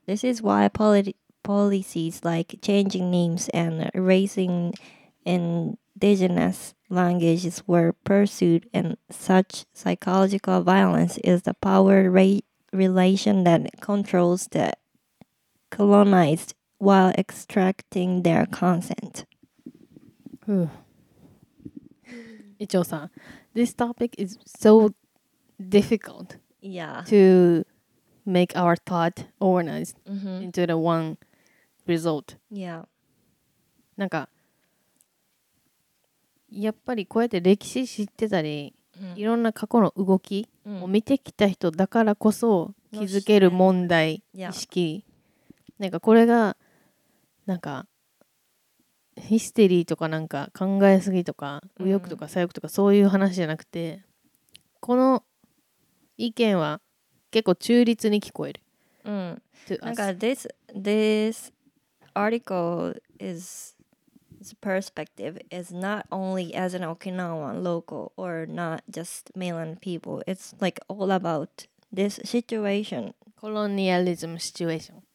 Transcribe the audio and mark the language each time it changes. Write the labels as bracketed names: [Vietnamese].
[English] This is why policies like changing names and erasing indigenous languages were pursued, and such psychological violence is the power relation that controls the colonized while extracting their consent. Ichō-san, this topic is so difficult to make our thought organized into the one result. Yeah. [Japanese] なんか、やっぱりこうやって歴史知ってたり、いろんな過去の動きを見てきた人だからこそ気づける問題意識。なんかこれが、なんかヒステリーとかなんか考えすぎとか右翼とか左翼とかそういう話じゃなくて、この意見は結構中立に聞こえる。 [English] なんか this article is perspective is not only as an Okinawan local or not just mainland people. It's like all about this situation, colonialism situation